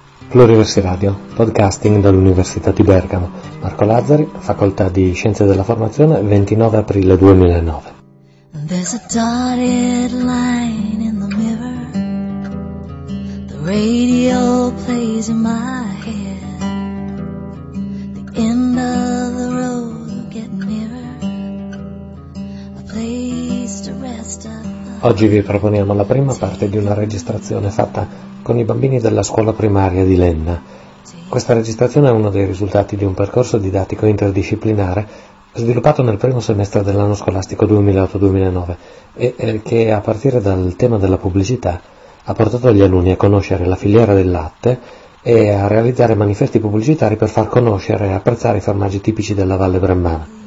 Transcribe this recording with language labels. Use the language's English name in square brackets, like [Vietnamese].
[Italian] Pluriversi Radio, podcasting dall'Università di Bergamo. Marco Lazzari, Facoltà di Scienze della Formazione, 29 aprile 2009. [English] There's a dotted line in the mirror. The radio plays in my head. The end of the road getting nearer. A place to rest up. [Italian] Oggi vi proponiamo la prima parte di una registrazione fatta con i bambini della scuola primaria di Lenna. Questa registrazione è uno dei risultati di un percorso didattico interdisciplinare sviluppato nel primo semestre dell'anno scolastico 2008-2009 e che a partire dal tema della pubblicità ha portato gli alunni a conoscere la filiera del latte e a realizzare manifesti pubblicitari per far conoscere e apprezzare i formaggi tipici della Valle Brembana.